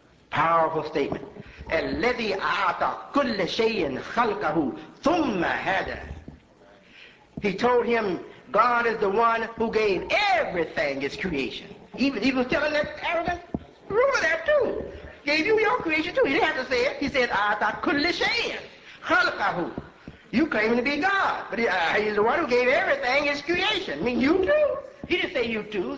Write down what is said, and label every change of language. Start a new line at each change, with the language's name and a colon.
English: Powerful statement.
Arabic: الَّذِي أَعْطَى كُلَّ شَيْءٍ خَلْقَهُ ثُمَّ هَدَى.
English: He told him, God is the one who gave everything his creation. Even he was telling that arrogant ruler that too. Gave you your creation too. He didn't have to say it. He said,
Arabic: أَعْطَى كُلَّ شَيْءٍ خَلْقَهُ.
English: You claim to be God, but he's the one who gave everything his creation. I mean, you too. He didn't say you too.